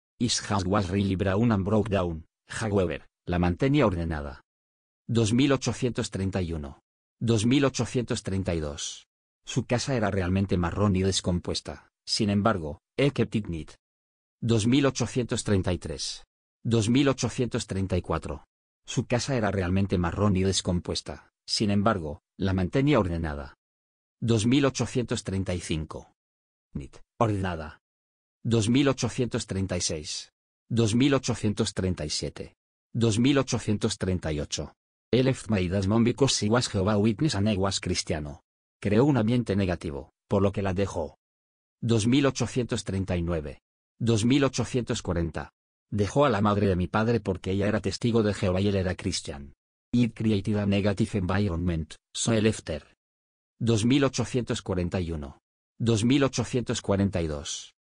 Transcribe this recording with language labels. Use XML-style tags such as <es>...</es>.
<en>His house was really brown and broke down, however,</en> <es>la mantenía ordenada.</es> <en>2831. 2832.</en> <es>Su casa era realmente marrón y descompuesta, sin embargo,</es> <en>he kept it neat. 2833. 2834.</en> <es>Su casa era realmente marrón y descompuesta, sin embargo, la mantenía ordenada.</es> <en>2835. Neat, ordenada. 2836. 2837. 2838. He left my dad's mom because she was Jehovah's Witness and I was cristiano.</en> <es>Creó un ambiente negativo, por lo que la dejó. 2839. 2840. Dejó a la madre de mi padre porque ella era testigo de Jehová y él era cristian.</es> <en>It created a negative environment, so I left her. 2841. 2842.</en>